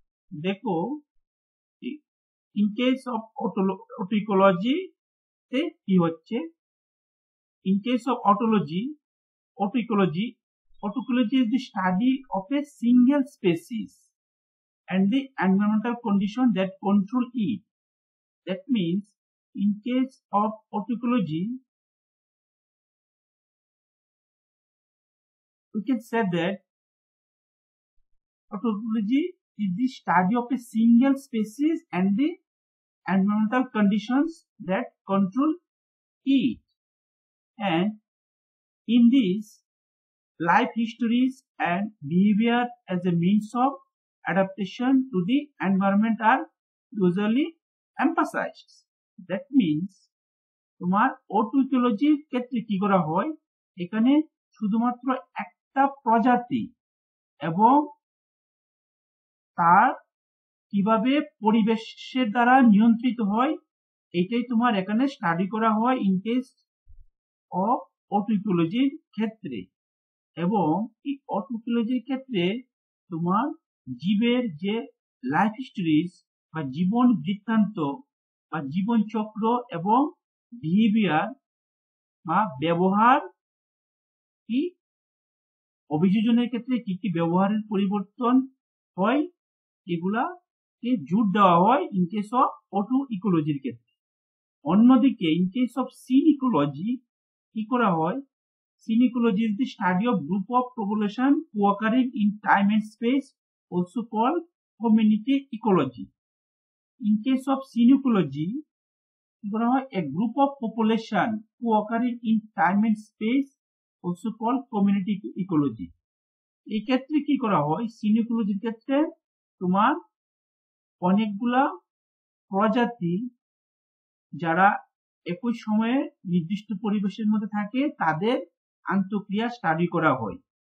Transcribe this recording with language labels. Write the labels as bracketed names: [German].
[Bangla] দেখো [English] in case of auto ecology [Bangla] তে কি হচ্ছে, [English] In case of autology auto ecology, auto ecology is the study of a single species and the environmental condition that control it, that means in case of auto ecology we can say that autology is the study of a single species and the environmental conditions that control it. And in this, life histories and behavior as a means of adaptation to the environment are usually emphasized. That means, [Bangla] তোমার auto ইকোলজির ক্ষেত্রে কি করা হয়, এখানে শুধুমাত্র একটা প্রজাতি এবং তার কিভাবে পরিবেশের দ্বারা নিয়ন্ত্রিত হয় এটাই তোমার এখানে স্টাডি করা হয় [English] in case of auto ইকোলজির [Bangla] ক্ষেত্রে। এবং এই অটো ইকোলজির ক্ষেত্রে তোমার জীবের যে লাইফ হিস্টোরিজ বা জীবন বৃত্তান্ত বা জীবন চক্র এবং বিহেভিয়ার বা ব্যবহার কি অভিযোজনের ক্ষেত্রে কি কি ব্যবহারের পরিবর্তন হয় এগুলা কে জোর দেওয়া হয় [English] in case of auto ইকোলজির [Bangla] ক্ষেত্রে। অন্যদিকে [English] in case of synecology [Bangla] কি করা হয়, [English] Synecology is the study of group of population cooccurring in time and space also call community ecology. In case of synecology a group of population who occur in time and space also called community ecology. [Bangla] এই ক্ষেত্রে কি করা হয়, সিনিকোলজির ক্ষেত্রে তোমার অনেকগুলো প্রজাতি যারা একই সময়ে নির্দিষ্ট পরিবেশের মধ্যে থাকে তাদের আন্তঃক্রিয়া স্টাডি করা হয়।